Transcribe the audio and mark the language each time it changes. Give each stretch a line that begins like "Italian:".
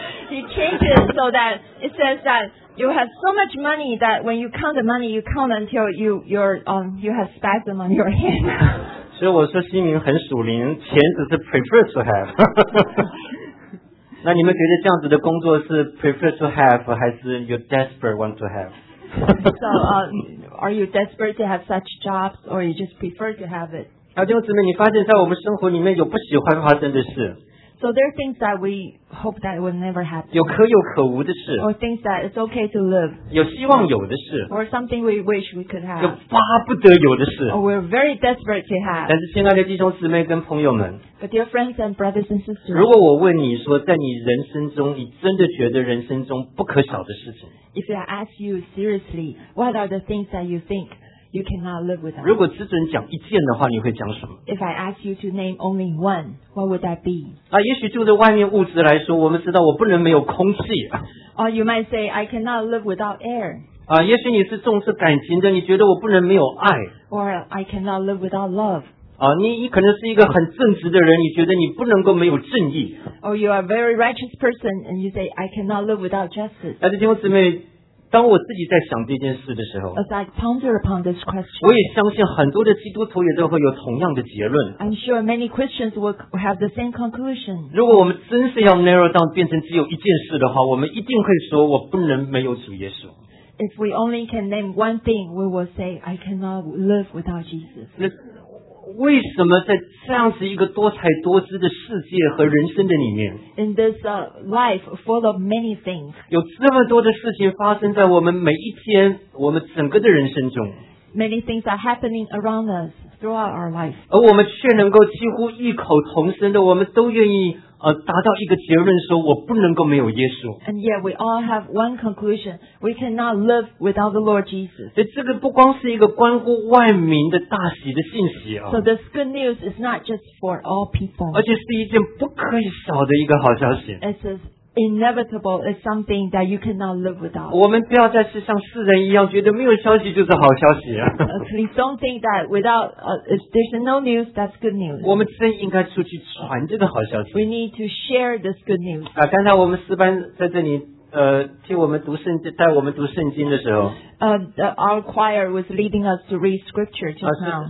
English: He changes so that it says that. You have so much money that when you count the money, you count until you have spasm on your hand.
Chinese: 所以我说心灵很属灵，钱只是
English: prefer to have.
Chinese: 那你们觉得这样子的工作是
English: prefer to have
Chinese: 还是
English: you desperate want to have? So, are you desperate to have such jobs or you just prefer to have it?
Chinese: 那弟兄姊妹，你发现在我们生活里面有不喜欢发生的事。
English: So there are things that we hope that will never happen.
Chinese: 有可有可无的事。
English: Or things that it's okay to live.
Chinese: 有希望有的事。
English: Or something we wish we could have.
Chinese: 有巴不得有的事。
English: Or we're very desperate to have.
Chinese: 但是亲爱的弟兄姊妹跟朋友们。
English: But dear friends and brothers and sisters.
Chinese: 如果我问你说在你人生中你真的觉得人生中不可少的事情。
English: If I ask you seriously, what are the things that you think you cannot live without?
Chinese: 如果只准讲一件的话你会讲什么?
English: If I ask you to name only one. What would that be?
Chinese: 啊，也许就在外面物质来说，我们知道我不能没有空气。
English: Or you might say I cannot live without air.
Chinese: 啊，也许你是重视感情的，你觉得我不能没有爱。
English: Or I cannot live without love.
Chinese: 啊，你可能是一个很正直的人，你觉得你不能够没有正义。
English: Or you are a very righteous person and you say I cannot live without justice.
Chinese: 啊，弟兄姊妹，当我自己在想这件事的时候
English: As I ponder upon this question,
Chinese: 我也相信很多的基督徒也都会有同样的结论
English: I'm sure many Christians will have the same conclusion
Chinese: 如果我们真是要
English: narrow down
Chinese: 变成只有一件事的话我们一定会说我不能没有主耶稣
English: If we only can name one thing we will say I cannot live without Jesus
Chinese: 那为什么在这样子一个多彩多姿的世界和人生的里面
English: In this life full of many things
Chinese: 有这么多的事情发生在我们每一天我们整个的人生中
English: Many things are happening around us throughout our life
Chinese: 而我们却能够几乎异口同声的我们都愿意达到一个结论说我不能够没有耶稣
English: And yet we all have one conclusion We cannot live without the Lord Jesus
Chinese: 这个不光是一个关乎万民的大喜的信息、哦、
English: So this good news is not just for all people
Chinese: 而且是一件不可以少的一个好消息
English: It is inevitable It's something that you cannot live without
Chinese: 我们不要再是像世人一样觉得没有消息就是好消息、
English: 啊、Please don't think that without if there's no news that's good news
Chinese: 我们真应该出去传这个好消息
English: We need to share this good news
Chinese: 啊，刚才我们四班在这里替我们读圣经带我们读圣经的时候
English: our choir was leading us to read scripture just now